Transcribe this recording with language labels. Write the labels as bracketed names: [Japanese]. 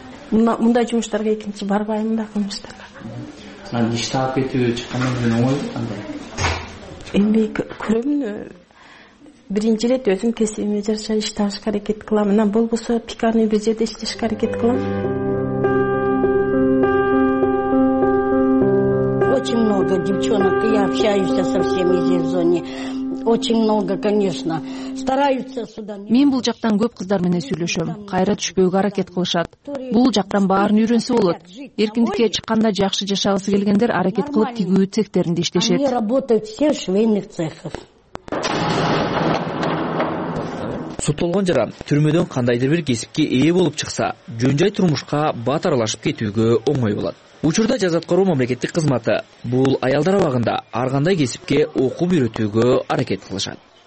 [Kyrgyz] Мындай жумуштарга экинчи барбайм да, кылмыштарга. Анан иш таап кетүү чыккандан кийин оңойбу кандай? Эми көрөмүн, биринчи ирет өзүм кесибиме жараша иш табышка аракет кылам. Анан болбосо пекарный бир жерде иштешке аракет кылам. [Russian] Очень много девчонок, я общаюсь со всеми здесь в зоне. Очень много, конечно, стараются сюда. [Kyrgyz] Мен бул жактан көп кыздар менен сүйлөшөм. Кайра түшпөөгө аракет кылышат. Бул жактан баарын үйрөнсө болот. Эркиндикке чыкканда жакшы жашагысы келгендер аракет кылып тигүү цехтеринде иштешет. [Russian] Они работают все в швейных цехах. [Kyrgyz] Соттолгон жаран түрмөдөн кандайдыр бир кесипке ээ болуп чыкса, жөн жай турмушка бат аралашып кетүүгө оңой болот. Учурда жаза аткаруу мамлекеттик кызматы бул аялдар абагында ар кандай кесипке окуп үйрөтүүгө аракет кылышат.